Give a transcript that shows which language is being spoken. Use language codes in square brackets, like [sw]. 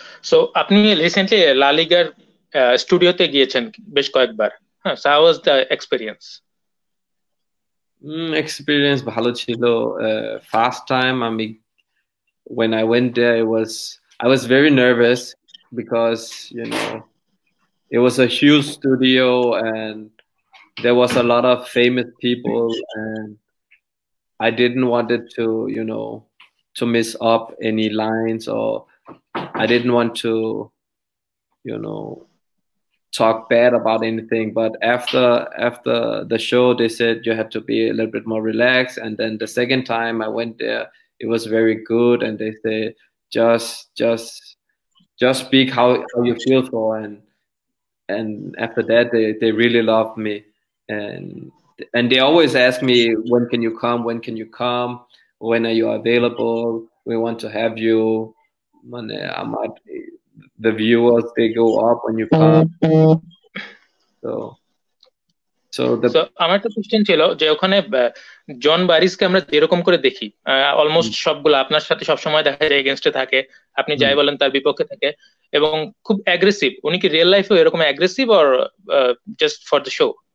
[bn] So আপনি recently লা লিগার স্টুডিওতে গিয়েছেন বেশ কয়েকবার, হ্যাঁ, so [en] How was the experience? [bn] Experience ভালো ছিল। [en] First time আমি when I went there, I was very nervous because you know it was a huge studio and there was a lot of famous people and I didn't want it to you know to miss up any lines or I didn't want to you know talk bad about anything, but after the show they said you have to be a little bit more relaxed, and then the second time I went there it was very good, and they say just speak how you feel for, and after that they really loved me, and they always ask me when can you come, when are you available, we want to have you. Mane amad the viewers they go up when you come. So [bn] আমার একটা question ছিল যে ওখানে জন বারিসকে আমরা যেরকম করে দেখি almost সবগুলো আপনার সাথে সবসময় দেখা যায় এগেনস্টে থাকে, আপনি যাই বলেন তার বিপক্ষে থাকে এবং খুব অ্যাগ্রেসিভ, উনি কি রিয়েল লাইফে এরকম aggressive [en] Or just for the show?